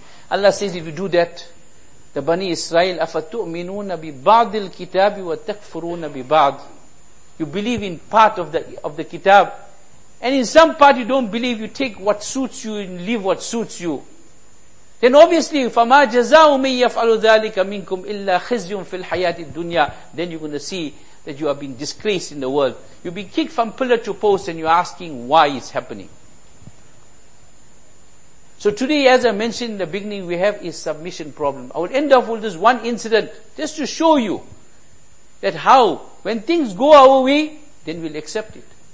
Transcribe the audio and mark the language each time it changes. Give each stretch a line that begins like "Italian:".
English: Allah says if you do that, the Bani Israel,
Arabic: أَفَتُؤْمِنُونَ بِبَعْضِ الْكِتَابِ وَتَكْفُرُونَ بِبَعْضِ.
English: You believe in part of the kitab, and in some part you don't believe, you take what suits you and leave what suits you. Then obviously,
Arabic: فَمَا جَزَاءُ مَنْ يَفْعَلُ ذَلِكَ مِنْكُمْ إِلَّا خِزْيٌ فِي الْحَيَاةِ الدُّنْيَا.
English: Then you're going to see that you have been disgraced in the world. You've been kicked from pillar to post, and you're asking why it's happening. So today, as I mentioned in the beginning, we have a submission problem. I will end off with this one incident, just to show you that how, when things go our way, then we'll accept it.